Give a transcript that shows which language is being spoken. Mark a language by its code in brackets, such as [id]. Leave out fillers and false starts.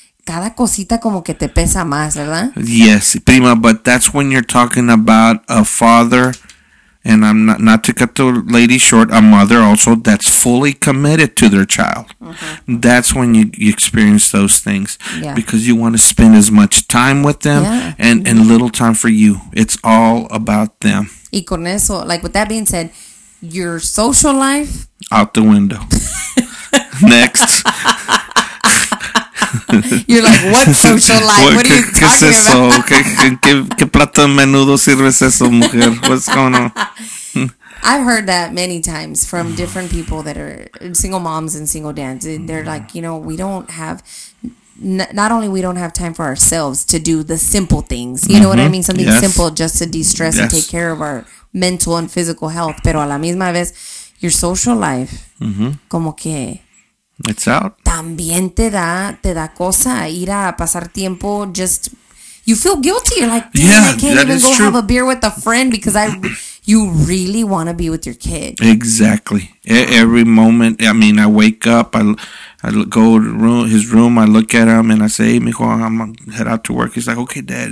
[es] Cada cosita como que te pesa más, ¿verdad? [en] Yes, prima, but that's when you're talking about a father, and I'm not to cut the lady short, a mother also, that's fully committed to their child. That's when you experience those things, because you want to spend as much time with them and little time for you. It's all about them. [es] Y con eso, [en] like with that being said, your social life? Out the window. Next. You're like, what social life? What are you talking about? [es] ¿Qué plato de menudo sirves eso, mujer? [en] What's going on? I've heard that many times from different people that are single moms and single dads. They're like, you know, we don't have, not only we don't have time for ourselves to do the simple things. You know what I mean? Something simple just to de-stress and take care of our mental and physical health. [es] Pero a la misma vez, [en] your social life, [es] como que... [en] It's out. [es] También te da cosa ir a pasar tiempo. [en] Just you feel guilty. You're like, I can't even go have a beer with a friend because you really want to be with your kid. Exactly. Every moment. I mean, I wake up. I go to his room. I look at him and I say, hey, mijo, I'm gonna head out to work. He's like, okay, dad.